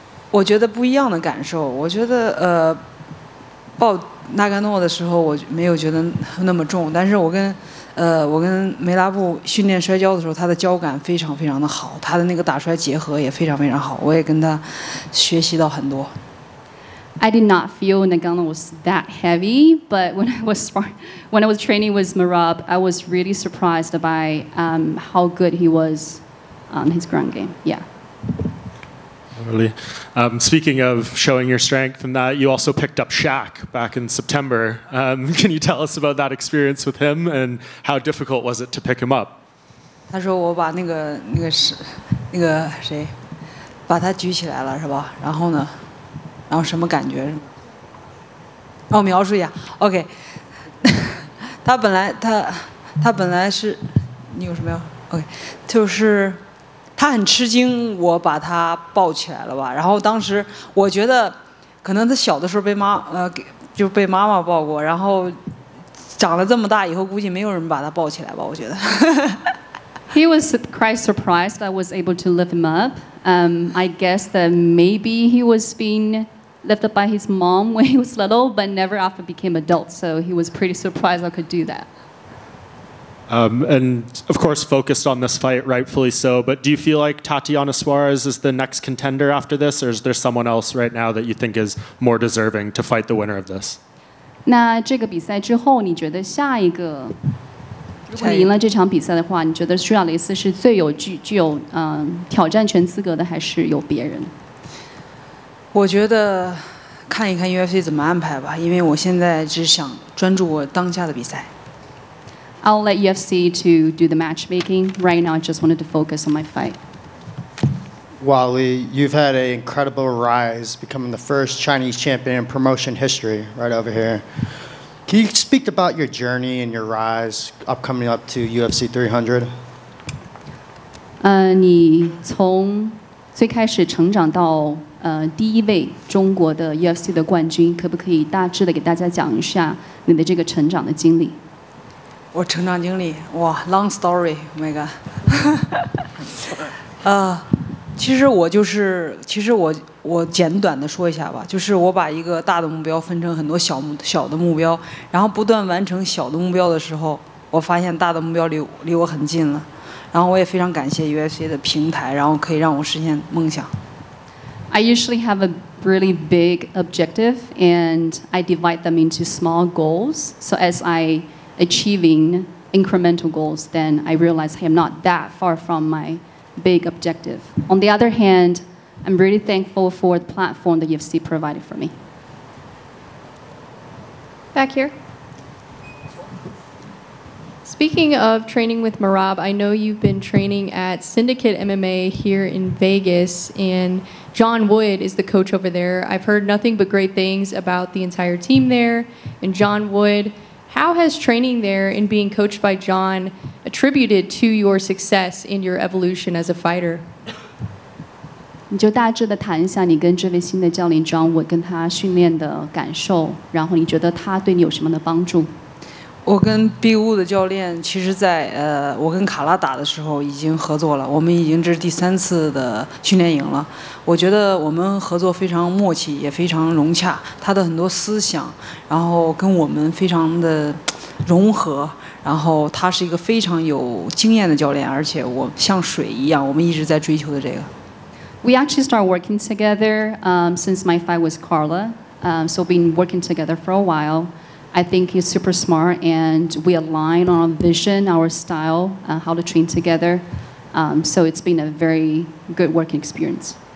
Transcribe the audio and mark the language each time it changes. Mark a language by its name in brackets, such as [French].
[Chinese] 我觉得不一样的感受，我觉得抱纳甘诺的时候我没有觉得那么重，但是我跟梅拉布训练摔跤的时候，他的脚感非常非常的好，他的那个打摔结合也非常非常好，我也跟他学习到很多。 [English] I did not feel Ngannou was that heavy, but when I was training with Marab, I was really surprised by how good he was on his ground game. Yeah. Really. Speaking of showing your strength and that, you also picked up Shaq back in September. Can you tell us about that experience with him and how difficult was it to pick him up? [Chinese] 他说我把那个谁把他举起来了是吧？然后呢？然后什么感觉？让我描述一下。 OK， 他本来是，你有什么要 ？OK， 就是他很吃惊，我把他抱起来了吧？然后当时我觉得，可能他小的时候被妈妈抱过，然后长了这么大以后，估计没有人把他抱起来吧？我觉得。 [English] He was quite surprised I was able to lift him up. I guess that maybe he was being lift up by his mom when he was little, but never after became adult. So he was pretty surprised I could do that. And of course, focused on this fight, rightfully so. But do you feel like Tatiana Suarez is the next contender after this, or is there someone else right now that you think is more deserving to fight the winner of this? [Chinese] 那这个比赛之后，你觉得下一个，如果你赢了这场比赛的话，你觉得苏亚雷斯是最有具有挑战权资格的，还是有别人？我觉得看一看 UFC 怎么安排吧，因为我现在只想专注我当下的比赛。 [English] I'll let UFC to do the matchmaking. Right now, I just wanted to focus on my fight. Wally, you've had an incredible rise, becoming the first Chinese champion in promotion history, right over here. Can you speak about your journey and your rise upcoming up to UFC 300? [Chinese] 你从最开始成长到第一位中国的 UFC 的冠军，可不可以大致的给大家讲一下你的这个成长的经历？我成长经历，哇 ， [English] long story， [Chinese] 麦哥。其实我简短的说一下吧，就是我把一个大的目标分成很多小的目标，然后不断完成小的目标的时候，我发现大的目标离我很近了，然后我也非常感谢 UFC 的平台，然后可以让我实现梦想。 [English] I usually have a really big objective and I divide them into small goals. So as I achieving incremental goals, then I realize I am not that far from my big objective. On the other hand, I'm really thankful for the platform that UFC provided for me. Back here. Speaking of training with Marab, I know you've been training at Syndicate MMA here in Vegas, and John Wood is the coach over there. I've heard nothing but great things about the entire team there and John Wood. How has training there and being coached by John attributed to your success and your evolution as a fighter? [Chinese] 你就大致的谈一下你跟这位新的教练 John Wood 跟他训练的感受，然后你觉得他对你有什么的帮助？我跟 B 五的教练，其实在我跟卡拉打的时候已经合作了，我们已经这是第三次的训练营了。我觉得我们合作非常默契，也非常融洽。他的很多思想，然后跟我们非常的融合。然后他是一个非常有经验的教练，而且我像水一样，我们一直在追求的这个。 [English] We actually start working together since my fight with Carla, so been working together for a while. I think he's super smart, and we align on our vision, our style, how to train together. So it's been a very good working experience.